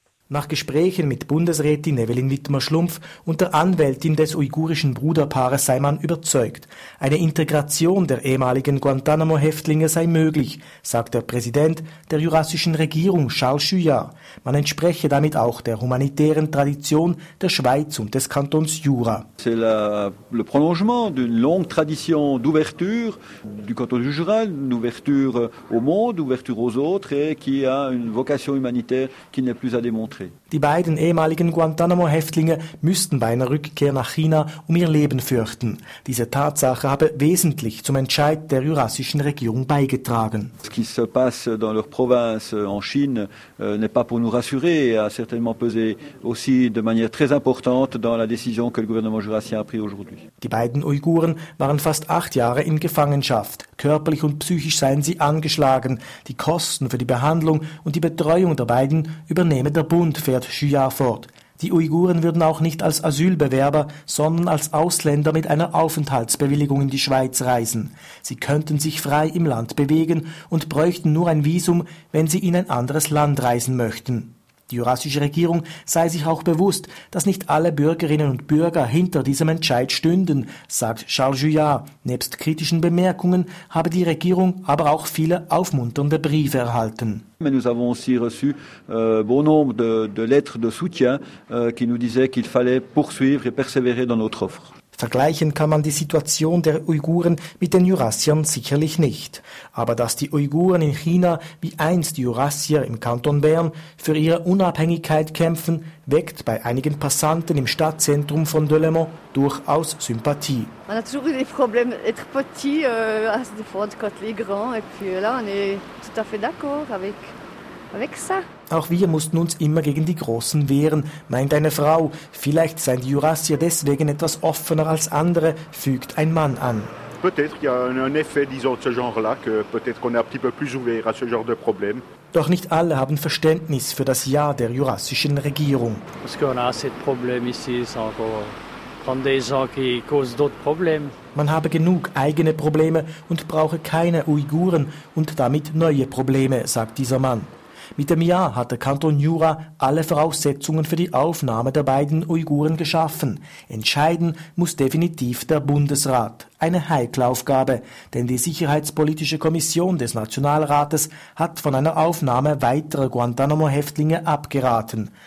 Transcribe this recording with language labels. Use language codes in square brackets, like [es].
[de] Nach Gesprächen mit Bundesrätin Evelyn Wittmer-Schlumpf und der Anwältin des uigurischen Bruderpaares sei man überzeugt. Eine Integration der ehemaligen Guantanamo-Häftlinge sei möglich, sagt der Präsident der jurassischen Regierung Charles Chouillard. Man entspreche damit auch der humanitären Tradition der Schweiz und des Kantons Jura. [fr] C'est le prolongement d'une longue tradition d'ouverture du canton du Jura, une ouverture au monde, ouverture aux autres et qui a une vocation humanitaire qui n'est plus à démontrer. [de] Die beiden ehemaligen Guantanamo-Häftlinge müssten bei einer Rückkehr nach China um ihr Leben fürchten. Diese Tatsache habe wesentlich zum Entscheid der jurassischen Regierung beigetragen. [fr] Ce qui se passe dans leur province en Chine n'est pas pour nous rassurer, a certainement pesé aussi de manière très importante dans la décision que le gouvernement jurassien a pris aujourd'hui. [de] Die beiden Uiguren waren fast 8 Jahre in Gefangenschaft. Körperlich und psychisch seien sie angeschlagen. Die Kosten für die Behandlung und die Betreuung der beiden übernehme der Bund, fährt Chouillard fort. Die Uiguren würden auch nicht als Asylbewerber, sondern als Ausländer mit einer Aufenthaltsbewilligung in die Schweiz reisen. Sie könnten sich frei im Land bewegen und bräuchten nur ein Visum, wenn sie in ein anderes Land reisen möchten. Die jurassische Regierung sei sich auch bewusst, dass nicht alle Bürgerinnen und Bürger hinter diesem Entscheid stünden, sagt Charles Chouillard. Nebst kritischen Bemerkungen habe die Regierung aber auch viele aufmunternde Briefe erhalten. [fr] Mais nous avons aussi reçu bon nombre de lettres de soutien qui nous disaient qu'il fallait poursuivre et persévérer dans notre offre. [de] Vergleichen kann man die Situation der Uiguren mit den Jurassiern sicherlich nicht. Aber dass die Uiguren in China wie einst die Jurassier im Kanton Bern für ihre Unabhängigkeit kämpfen, weckt bei einigen Passanten im Stadtzentrum von Delémont durchaus Sympathie. Man hat [fr] toujours des problèmes d'être petit, also des fois quand les grands, et puis là on est tout à fait d'accord avec ça. [de] Auch wir mussten uns immer gegen die Großen wehren, meint eine Frau. Vielleicht seien die Jurassier deswegen etwas offener als andere, fügt ein Mann an. [fr] Peut-être qu'il y a un effet, disons, de ce genre-là, que peut-être qu'on est un petit peu plus ouvert à ce genre de problème. [de] Doch nicht alle haben Verständnis für das Ja der jurassischen Regierung. [fr] Parce qu'on a assez de problèmes ici, encore. [de] Man habe genug eigene Probleme und brauche keine Uiguren und damit neue Probleme, sagt dieser Mann. Mit dem Jahr hat der Kanton Jura alle Voraussetzungen für die Aufnahme der beiden Uiguren geschaffen. Entscheiden muss definitiv der Bundesrat. Eine heikle Aufgabe, denn die Sicherheitspolitische Kommission des Nationalrates hat von einer Aufnahme weiterer Guantanamo-Häftlinge abgeraten.